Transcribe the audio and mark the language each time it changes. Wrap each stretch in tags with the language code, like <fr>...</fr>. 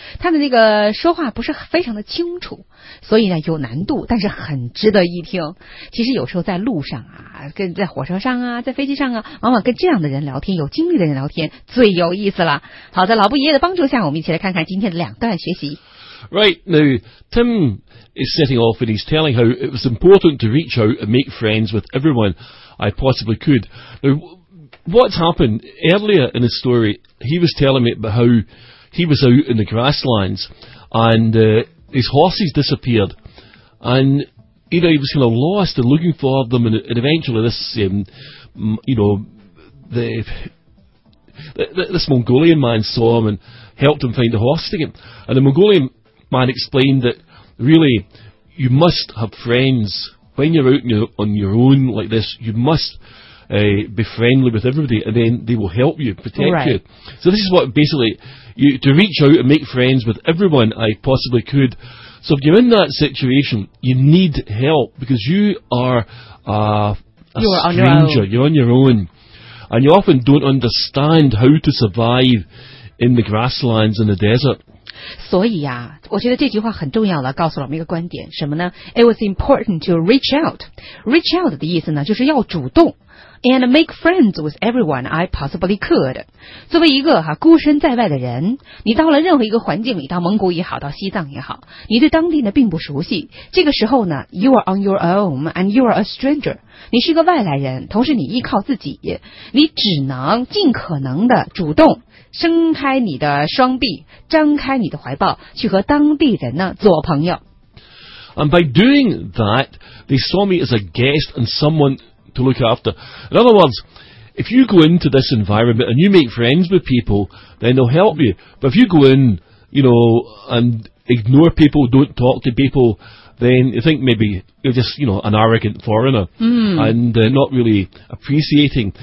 <zh>他们这个说话不是非常的清楚，所以呢有难度，但是很值得一听。其实有时候在路上啊，跟在火车上啊，在飞机上啊，往往跟这样的人聊天，有经历的人聊天最有意思了。好，在老布爷爷的帮助下，我们一起来看看今天的两段学习。</zh> <en>Right, now Tim is setting off and he's telling how it was important to reach out and make friends with everyone I possibly could. Now, what's happened earlier in his story, he was telling me about how he was out in the grasslands and his horses disappeared. And, you know, he was kind of lost and looking for them and eventually this, you know, this Mongolian man saw him and helped him find the horses again. And the Mongolian man explained that really you must have friends when you're out on your own like this. You must be friendly with everybody and then they will help you, protect right. you. So this is what basically, you to reach out and make friends with everyone I possibly could. So if you're in that situation, you need help because you are a stranger. You're on your own. And you often don't understand how to survive in the grasslands in the desert.</en> <zh>所以啊，我觉得这句话很重要了，告诉了我们一个观点，什么呢？</zh> <en>It was important to reach out. Reach out</en> <zh>的意思呢，就是要主动。</zh> <en>And make friends with everyone I possibly could.</en> <zh>作为一个哈、孤身在外的人，你到了任何一个环境里，到蒙古也好，到西藏也好，你对当地呢并不熟悉。这个时候呢</zh> <en>，you are on your own and you are a stranger.</en> <zh>你是个外来人，同时你依靠自己，你只能尽可能的主动伸开你的双臂，张开你的怀抱，去和当地人呢做朋友。</zh> <en>And by doing that, they saw me as a guest and someone to look after. In other words, if you go into this environment and you make friends with people, then they'll help you. But if you go in, you know, and ignore people, don't talk to people, then you think maybe you're just, you know, an arrogant foreigner and not really appreciating.</en>